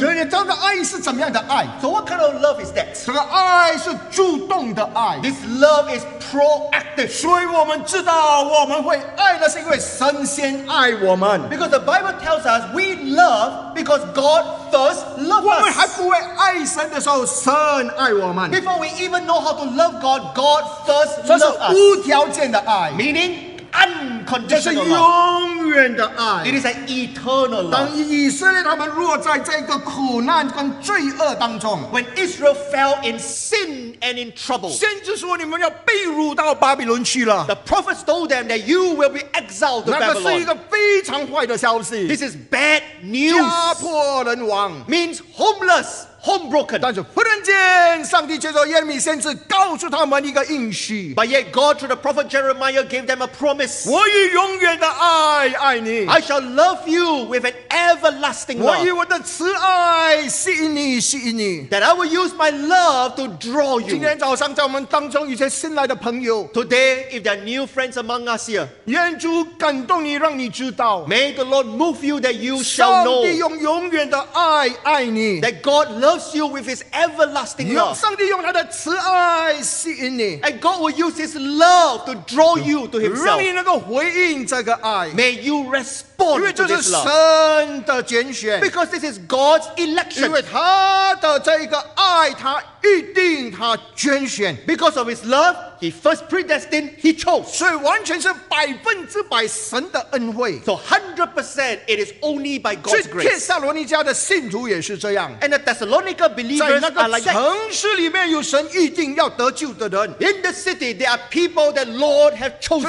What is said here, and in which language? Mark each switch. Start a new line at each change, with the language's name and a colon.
Chinese: 所以你知道的爱是怎么样的爱？
English: So what kind of love is that?
Chinese: 这个爱是主动的爱。
English: This love is proactive.
Chinese: 所以我们知道我们会爱，那是因为神先爱我们。
English: Because the Bible tells us we love because God first loved us.
Chinese: 我们还不会爱神的时候，神爱我们。
English: Before we even know how to love God, God first loved us.
Chinese: 这是无条件的爱。
English: Meaning unconditional love.
Chinese: 这是永远的爱。
English: It is an eternal love.
Chinese: 当以色列他们落在这个苦难跟罪恶当中。
English: When Israel fell in sin and in trouble.
Chinese: 先知说你们要被掳到巴比伦去了。
English: The prophets told them that you will be exiled to Babylon.
Chinese: 那个是一个非常坏的消息。
English: This is bad news.
Chinese: 家破人亡。
English: Means homeless. Home broken.
Chinese: 但是忽然间，上帝借着耶利米先知告诉他们一个应许。
English: But yet God through the prophet Jeremiah gave them a promise.
Chinese: 我以永远的爱爱你。
English: I shall love you with an everlasting love.
Chinese: 我以我的慈爱吸引你，吸引你。
English: That I will use my love to draw you.
Chinese: 今天早上在我们当中有些新来的朋友。
English: Today, if there are new friends among us here,
Chinese: 愿主感动你，让你知道。
English: May the Lord move you that you shall know.
Chinese: 上帝用永远的爱爱你。
English: That God love loves you with His everlasting love.
Chinese: 上帝用他的慈爱吸引你。
English: And God will use His love to draw you to Himself.
Chinese: 让你能够回应这个爱。
English: May you respond to this love.
Chinese: 因为这是神的拣选。
English: Because this is God's election.
Chinese: 因为他的这个爱，他一定他拣选。
English: Because of His love, He first predestined, He chose.
Chinese: 所以完全是100%神的恩惠。
English: So 100%, it is only by God's grace.
Chinese: 所以帖撒罗尼迦的信徒也是这样。
English: And the Thessalonica believers are like that.
Chinese: 在那个城市里面有神预定要得救的人。
English: In the city, there are people that Lord have chosen.